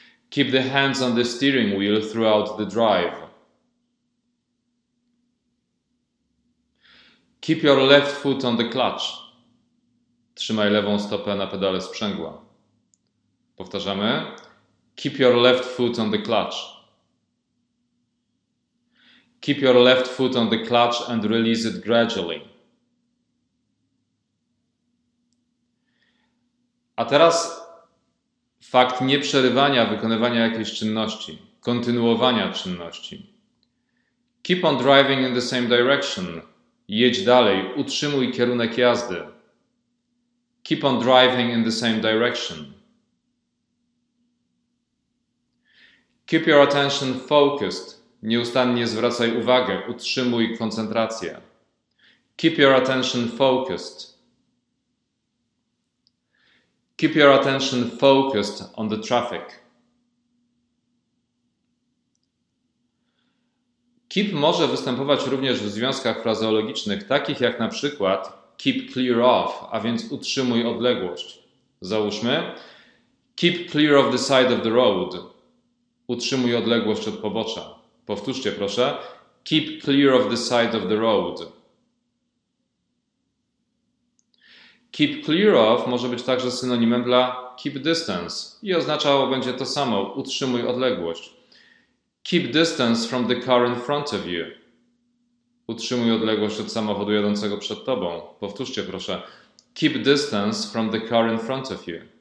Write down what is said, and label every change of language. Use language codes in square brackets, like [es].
[en] Keep the hands on the steering wheel throughout the drive. Keep your left foot on the clutch. [pl] Trzymaj lewą stopę na pedale sprzęgła. Powtarzamy. [en] Keep your left foot on the clutch. Keep your left foot on the clutch and release it gradually. [pl] A teraz fakt nieprzerywania wykonywania jakiejś czynności, kontynuowania czynności. [en] Keep on driving in the same direction. [pl] Jedź dalej, utrzymuj kierunek jazdy. [en] Keep on driving in the same direction. Keep your attention focused. [pl] Nieustannie zwracaj uwagę, utrzymuj koncentrację. [en] Keep your attention focused. Keep your attention focused on the traffic. [pl] Keep może występować również w związkach frazeologicznych, takich jak na przykład [en] keep clear of, [pl] a więc utrzymuj odległość. Załóżmy, [en] keep clear of the side of the road. [pl] Utrzymuj odległość od pobocza. Powtórzcie proszę, [en] keep clear of the side of the road. Keep clear of [pl] może być także synonimem dla [en] keep distance [pl] i oznaczało będzie to samo, utrzymuj odległość. [en] Keep distance from the car in front of you. [pl] Utrzymuj odległość od samochodu jadącego przed tobą. Powtórzcie proszę, [en] keep distance from the car in front of you.